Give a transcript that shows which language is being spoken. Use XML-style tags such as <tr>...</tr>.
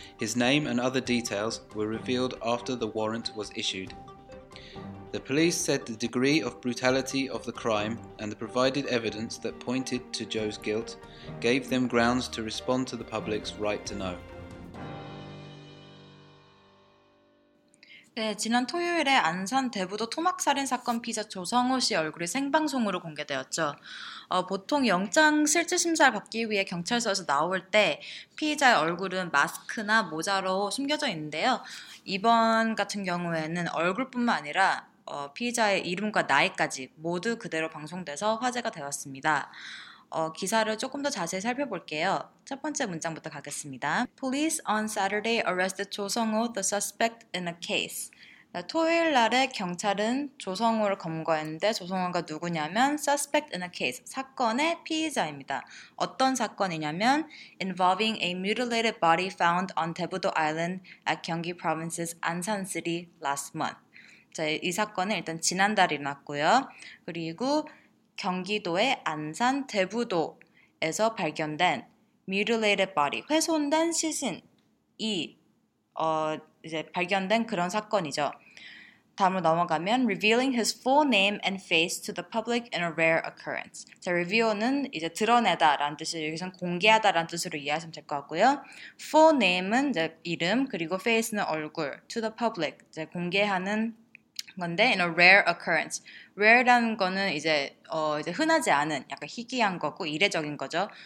<en>His name and other details were revealed after the warrant was issued. The police said the degree of brutality of the crime and the provided evidence that pointed to Joe's guilt gave them grounds to respond to the public's right to know.</en> <ko>네, 지난 토요일에 안산 대부도 토막살인 사건 피의자 조성호 씨 얼굴이 생방송으로 공개되었죠. 보통 영장 실질심사를 받기 위해 경찰서에서 나올 때 피의자의 얼굴은 마스크나 모자로 숨겨져 있는데요. 이번 같은 경우에는 얼굴뿐만 아니라 피의자의 이름과 나이까지 모두 그대로 방송돼서 화제가 되었습니다. 기사를 조금 더 자세히 살펴볼게요. 첫 번째 문장부터 가겠습니다.</ko> <en>Police on Saturday arrested 조성호, the suspect in a case.</en> <ko>토요일 날에 경찰은 조성호를 검거했는데 조성호가 누구냐면</ko> <en>suspect in a case,</en> <ko>사건의 피의자입니다. 어떤 사건이냐면</ko> <en>involving a mutilated body found on Daebudo Island at Gyeonggi Province's Ansan City last month.</en> <ko>이 사건은 일단 지난달 일어났고요. 그리고 경기도의 안산 대부도에서 발견된</ko> <en>mutilated body,</en> <ko>훼손된 시신이 이제 발견된 그런 사건이죠. 다음으로 넘어가면</ko> <en>revealing his full name and face to the public in a rare occurrence.</en> <ko>자, reveal은 이제 드러내다 라는 뜻이 여기서는 공개하다 라는 뜻으로 이해하시면 될 것 같고요.</ko> <en>full name은</en> <ko>이제 이름, 그리고</ko> <en>face는</en> <ko>얼굴,</ko> <en>to the public,</en> <ko>이제 공개하는 건데</ko> <en>in a rare occurrence,</en> <ko>rare라는 거는 이제 이제 흔하지 않은 약간 희귀한 거고 이례적인 거죠.</ko>